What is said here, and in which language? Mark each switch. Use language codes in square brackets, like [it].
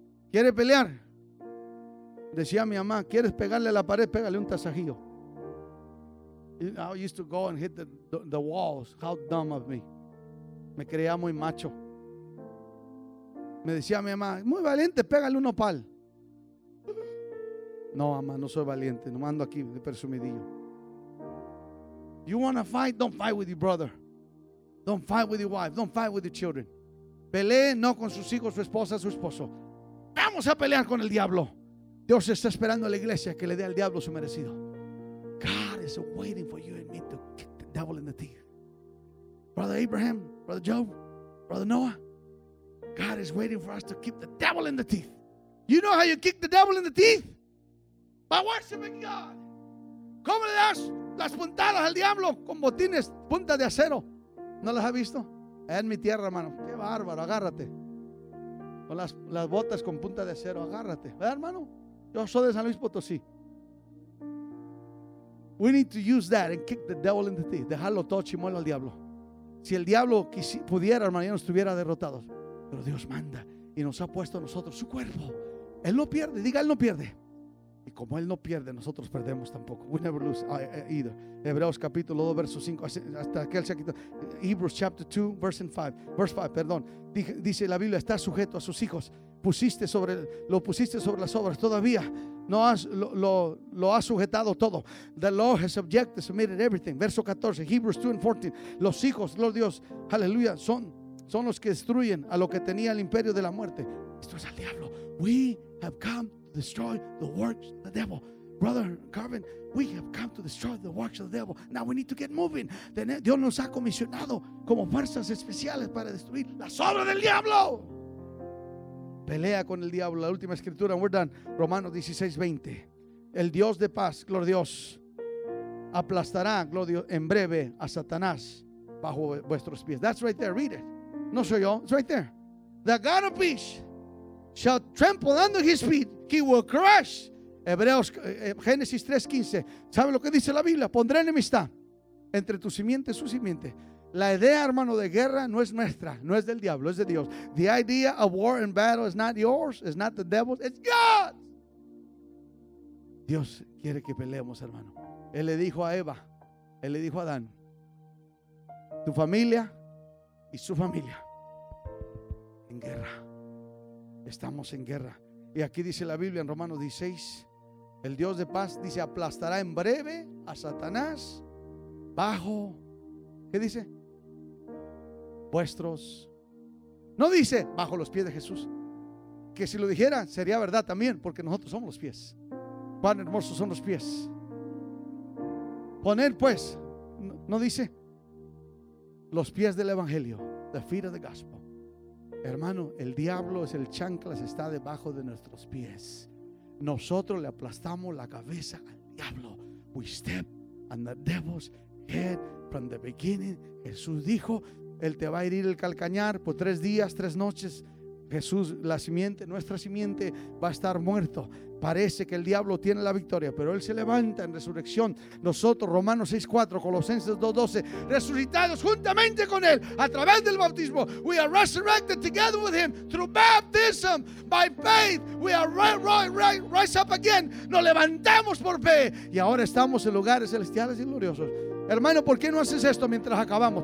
[es] ¿Quiere pelear? Decía mi mamá, ¿quieres pegarle a la pared? Pégale un tasajillo. [en] I used to go and hit the walls. How dumb of me. [es] Me creía muy macho. Me decía mi mamá, muy valiente, pégale un opal. No, mamá, no soy valiente. No mando aquí de presumidillo. [en] You want to fight? Don't fight with your brother. Don't fight with your wife. Don't fight with your children. [es] Pelee no con sus hijos, su esposa, su esposo. Vamos a pelear con el diablo. Dios está esperando a la iglesia que le dé al diablo su merecido. [en] God is waiting for you and me to kick the devil in the teeth. Brother Abraham, Brother Job, Brother Noah. God is waiting for us to keep the devil in the teeth. You know how you kick the devil in the teeth? By worshiping God. [es] ¿Cómo le das las puntadas al diablo con botines, punta de acero? ¿No las ha visto? En mi tierra, hermano. Qué bárbaro, agárrate. Con las botas con punta de acero, agárrate. ¿Verdad, hermano? Yo soy de San Luis Potosí. [en] We need to use that and kick the devil in the teeth. [es] Dejarlo todo chimuelo al diablo. Si el diablo pudiera, hermano, ya no estuviera derrotado. Pero Dios manda y nos ha puesto a nosotros su cuerpo. Él no pierde, diga, Él no pierde. Y como Él no pierde, nosotros perdemos tampoco. [en] We never lose either. [es] Hebreos capítulo 2, verso 5. Hasta aquel saquito. [en] Hebrews chapter 2, verse 5. Verse 5, perdón. [es] Dice la Biblia: está sujeto a sus hijos. Lo pusiste sobre las obras. Todavía no has, lo has sujetado todo. [en] The law has subjected, submitted everything. Verso 14, Hebrews 2 and 14. [es] Los hijos, Lord Dios, aleluya, son los que destruyen a lo que tenía el imperio de la muerte. Esto es al diablo. [en] We have come to destroy the works of the devil. Brother Carvin, we have come to destroy the works of the devil. Now we need to get moving. [es] Dios nos ha comisionado como fuerzas especiales para destruir las obras del diablo. Pelea con el diablo. La última escritura, [en] and we're done. [es] Romanos 16, 20. El Dios de paz, gloria a Dios, aplastará, gloria a Dios, en breve a Satanás bajo vuestros pies. [en] That's right there, read it. [es] No soy yo, [en] it's right there. The God of peace shall trample under his feet. He will crush. [es] Hebreos, Génesis 3, 15. ¿Sabe lo que dice la Biblia? Pondré enemistad entre tu simiente y su simiente. La idea, hermano, de guerra no es nuestra, no es del diablo, es de Dios. [en] The idea of war and battle is not yours, it's not the devil's, it's God. [es] Dios quiere que peleemos, hermano. Él le dijo a Eva, Él le dijo a Adán, tu familia y su familia en guerra. Estamos en guerra. Y aquí dice la Biblia en Romanos 16, el Dios de paz dice, aplastará en breve a Satanás bajo, ¿qué dice? Vuestros, no dice bajo los pies de Jesús, que si lo dijera sería verdad también, porque nosotros somos los pies. Cuán hermosos son los pies. Poner pues, no dice los pies del evangelio, [en] the feet of the gospel. [es] Hermano, el diablo es el chanclas, está debajo de nuestros pies. Nosotros le aplastamos la cabeza al diablo. [en] We step on the devil's head from the beginning. [es] Jesús dijo, Él te va a herir el calcañar por 3 días, 3 noches. Jesús, la simiente, nuestra simiente va a estar muerto. Parece que el diablo tiene la victoria, pero Él se levanta en resurrección. Nosotros, Romanos 6, 4, Colosenses 2, 12, resucitados juntamente con Él a través del bautismo. [en] We are resurrected together with Him through baptism. By faith, we are rise up again. [es] Nos levantamos por fe. Y ahora estamos en lugares celestiales y gloriosos. Hermano, ¿por qué no haces esto mientras acabamos?